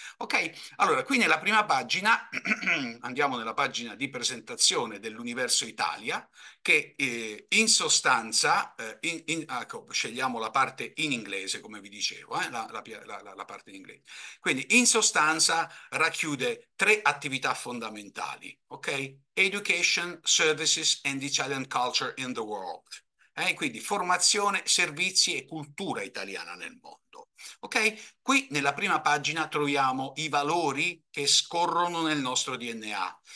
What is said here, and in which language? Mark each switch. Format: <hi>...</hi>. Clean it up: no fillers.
<it>Ok, allora, qui nella prima pagina, andiamo nella pagina di presentazione dell'Universo Italia, che in sostanza, ecco, scegliamo la parte in inglese, come vi dicevo, la parte in inglese. Quindi, in sostanza, racchiude tre attività fondamentali, ok?</it> <en>Education, Services and Italian Culture in the World.</en> <it>Quindi formazione, servizi e cultura italiana nel mondo. Ok? Qui nella prima pagina troviamo i valori che scorrono nel nostro DNA.</it>